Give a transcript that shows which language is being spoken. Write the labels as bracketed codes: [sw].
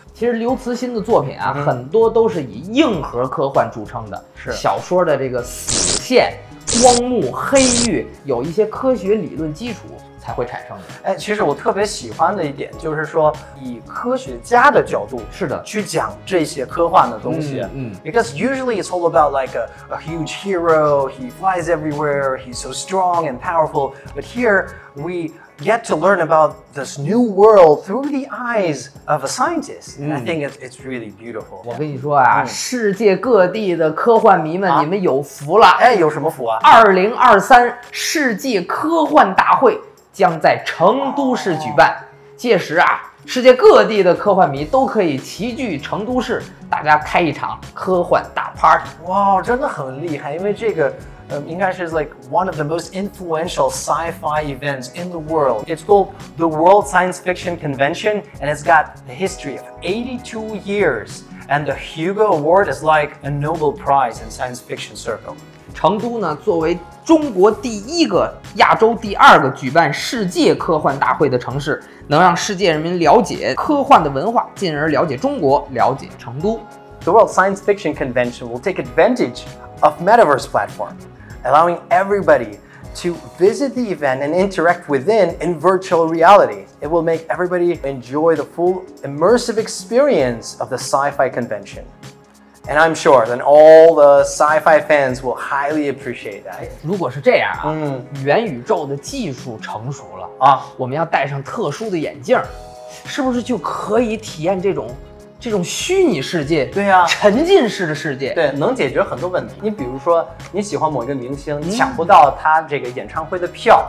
[zh] 其实刘慈欣的作品啊、嗯、很多都是以硬核科幻著称的，是小说的这个死线、光幕、黑域有一些科学理论基础才会产生的。哎，其实我特别喜欢的一点就是说以科学家的角度，是的，去讲这些科幻的东西。嗯, 嗯 [en] Because usually it's all about like a huge hero, he flies everywhere, he's so strong and powerful, but here we get to learn about this new world through the eyes of a scientist. And I think it's really beautiful. [zh] 我跟你说啊，世界各地的科幻迷们，你们有福了。哎，有什么福啊？ 2023世界科幻大会将在成都市举办，届时啊，世界各地的科幻迷都可以齐聚成都市，大家开一场科幻大 party。哇，真的很厉害，因为这个。应该是 [en] like one of the most influential sci-fi events in the world. It's called the World Science Fiction Convention, and it's got a history of 82 years. And the Hugo Award is like a Nobel Prize in science fiction circle. [zh] 成都呢，作为中国第一个、亚洲第二个举办世界科幻大会的城市，能让世界人民了解科幻的文化，进而了解中国，了解成都。 [en] The World Science Fiction Convention will take advantage of Metaverse platform, allowing everybody to visit the event and interact within in virtual reality. It will make everybody enjoy the full immersive experience of the sci-fi convention. And I'm sure that all the sci-fi fans will highly appreciate that. [zh] 如果是这样啊，元宇宙的技术成熟了啊，我们要戴上特殊的眼镜，是不是就可以体验这种虚拟世界，对啊，沉浸式的世界，对，能解决很多问题。你比如说你喜欢某一个明星，你抢不到他这个演唱会的票，